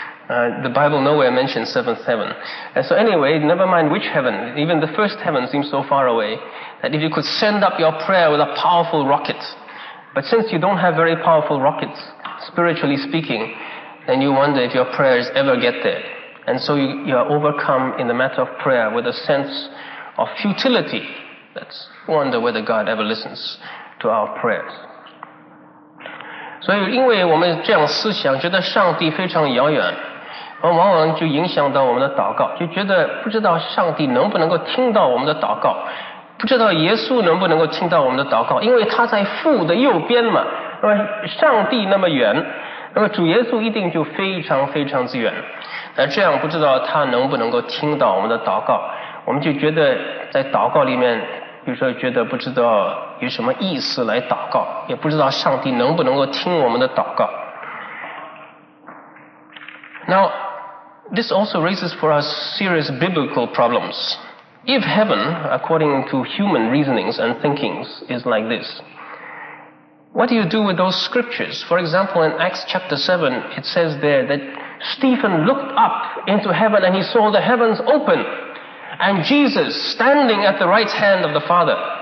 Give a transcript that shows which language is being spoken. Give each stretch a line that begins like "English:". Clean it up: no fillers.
English: The Bible nowhere mentions seventh heaven. So anyway, never mind which heaven, even the first heaven seems so far away, that if you could send up your prayer with a powerful rocket, but since you don't have very powerful rockets, spiritually speaking, then you wonder if your prayers ever get there. And so you are overcome in the matter of prayer with a sense of futility. Let's wonder whether God ever listens to our prayers.
Chinese: 所以因为我们这样思想，觉得上帝非常遥远，往往就影响到我们的祷告，就觉得不知道上帝能不能够听到我们的祷告，不知道耶稣能不能够听到我们的祷告，因为他在父的右边嘛，那么上帝那么远，那么主耶稣一定就非常非常之远。那这样不知道他能不能够听到我们的祷告，我们就觉得在祷告里面，比如说觉得不知道有什么意思来祷告，也不知道上帝能不能够听我们的祷告。
English: Now, this also raises for us serious biblical problems. If heaven, according to human reasonings and thinkings, is like this, what do you do with those scriptures? For example, in Acts chapter 7, it says there that Stephen looked up into heaven and he saw the heavens open and Jesus standing at the right hand of the Father.